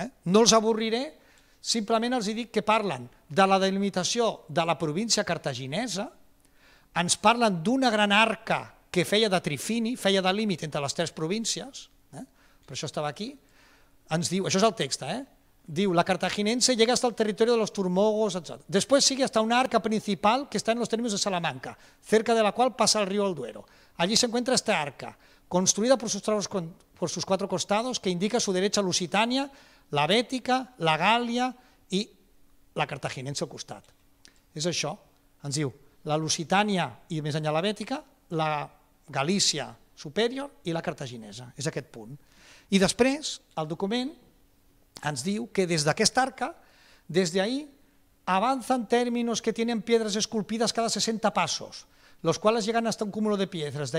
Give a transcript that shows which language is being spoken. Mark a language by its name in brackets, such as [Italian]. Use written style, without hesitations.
[Catalan] No els avorriré, simplement els dic que parlen de la delimitació de la província cartaginesa, ens parlen d'una gran arca que feia de trifini, feia de límit entre les tres províncies, per això estava aquí, ens diu, això és el text, diu, [Spanish] la cartaginense llega hasta el territorio de los turmogos, etc. Después sigue hasta una arca principal que está en los términos de Salamanca, cerca de la cual pasa el río Alduero. Allí se encuentra esta arca, construida por sus cuatro costados, que indica su derecha Lusitania, la Bética, [Catalan] la Gàlia i la cartaginense al costat. És això, ens diu, la Lusitania i més enllà la Bética, la Galícia superior i la cartaginesa, és aquest punt. I després, el document ens diu que des d'aquesta arca, des d'ahí, [Spanish] avancen términos que tienen piedras esculpidas cada 60 pasos, los cuales llegan hasta un cúmulo de piedras.